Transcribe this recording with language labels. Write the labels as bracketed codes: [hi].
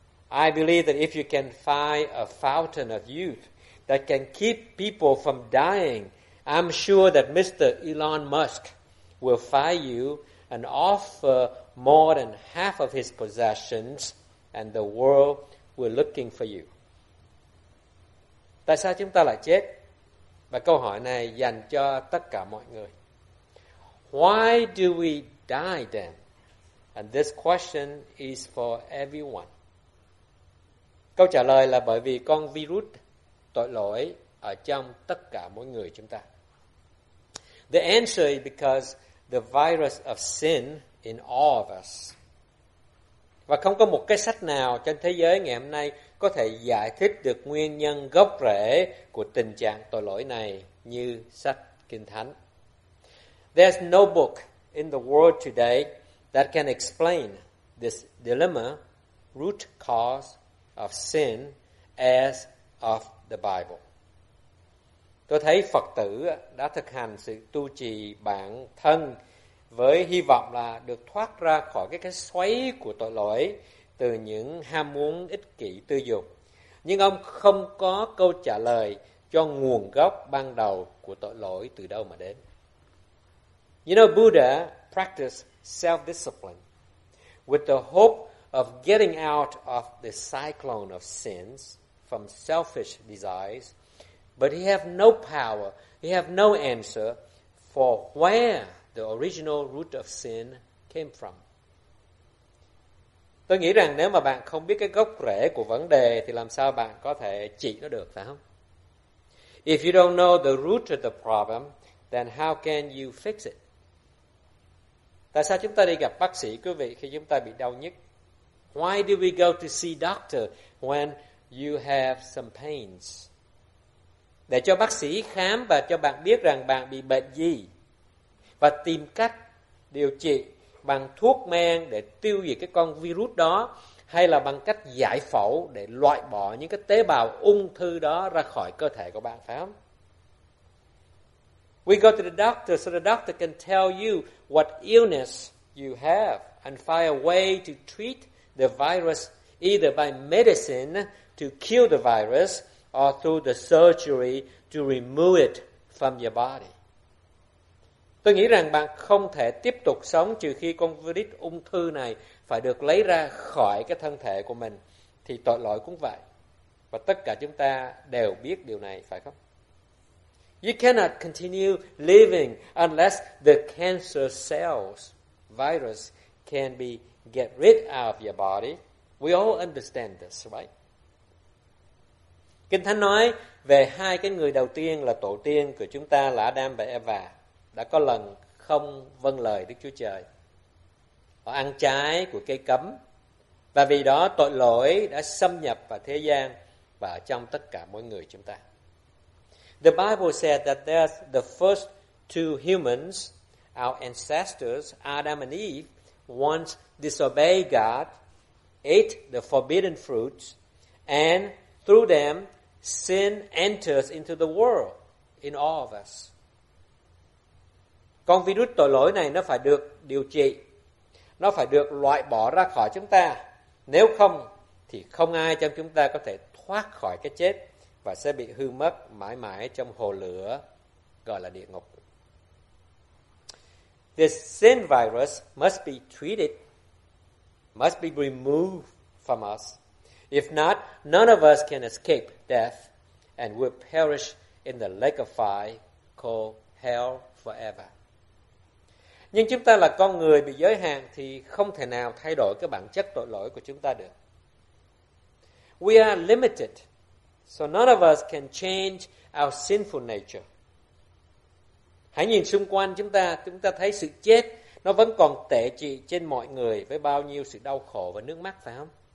[en] I believe that if you can find a fountain of youth that can keep people from dying, I'm sure that Mr. Elon Musk will find you and offer more than half of his possessions, and the world will looking for you. [vi] Tại sao chúng ta lại chết? Và câu hỏi này dành cho tất cả mọi người. [en] Why do we die then? And this question is for everyone. [vi] Câu trả lời là bởi vì con virus tội lỗi ở trong tất cả mỗi người chúng ta. [en] The answer is because the virus of sin in all of us. [vi] Và không có một cái sách nào trên thế giới ngày hôm nay có thể giải thích được nguyên nhân gốc rễ của tình trạng tội lỗi này như sách Kinh Thánh. [en] There's no book in the world today that can explain this dilemma, root cause of sin, as of the Bible. [vi] Tôi thấy Phật tử đã thực hành sự tu trì bản thân với hy vọng là được thoát ra khỏi cái xoáy của tội lỗi từ những ham muốn ích kỷ tư dục. Nhưng ông không có câu trả lời cho nguồn gốc ban đầu của tội lỗi từ đâu mà đến. [en] You know, Buddha practiced self-discipline with the hope of getting out of the cyclone of sins from selfish desires, but he have no power, he have no answer for where the original root of sin came from. [vi] Tôi nghĩ rằng nếu mà bạn không biết cái gốc rễ của vấn đề thì làm sao bạn có thể trị nó được, phải không? [en] If you don't know the root of the problem, then how can you fix it? [vi] Tại sao chúng ta đi gặp bác sĩ, quý vị, khi chúng ta bị đau nhức? [en] Why do we go to see doctor when you have some pains? [vi] Để cho bác sĩ khám và cho bạn biết rằng bạn bị bệnh gì và tìm cách điều trị bằng thuốc men để tiêu diệt cái con virus đó, hay là bằng cách giải phẫu để loại bỏ những cái tế bào ung thư đó ra khỏi cơ thể của bạn, phải không? [en] We go to the doctor so the doctor can tell you what illness you have and find a way to treat the virus, either by medicine to kill the virus or through the surgery to remove it from your body. [vi] Tôi nghĩ rằng bạn không thể tiếp tục sống trừ khi con virus ung thư này phải được lấy ra khỏi cái thân thể của mình, thì tội lỗi cũng vậy. Và tất cả chúng ta đều biết điều này, phải không? [en] You cannot continue living unless the cancer cells, virus, can be get rid out of your body. We all understand this, right? [vi] Kinh Thánh nói về hai cái người đầu tiên là tổ tiên của chúng ta là Adam và Eva, đã có lần không vâng lời Đức Chúa Trời. Họ ăn trái của cây cấm, và vì đó tội lỗi đã xâm nhập vào thế gian và trong tất cả mỗi người chúng ta. [en] The Bible said that there's the first two humans, our ancestors, Adam and Eve, once disobeyed God, ate the forbidden fruits, and through them, sin enters into the world in all of us. [vi] Con virus tội lỗi này nó phải được điều trị. Nó phải được loại bỏ ra khỏi chúng ta. Nếu không, thì không ai trong chúng ta có thể thoát khỏi cái chết và sẽ bị hư mất mãi mãi trong hồ lửa gọi là địa ngục. [en] This sin virus must be treated, must be removed from us. If not, none of us can escape death and will perish in the lake of fire called hell forever. [vi] Nhưng chúng ta là con người bị giới hạn thì không thể nào thay đổi cái bản chất tội lỗi của chúng ta được. [en] We are limited, so none of us can change our sinful nature. [vi] Hãy nhìn xung quanh chúng ta thấy sự chết, nó vẫn còn tệ trị trên mọi người với bao nhiêu sự đau khổ và nước mắt, phải không?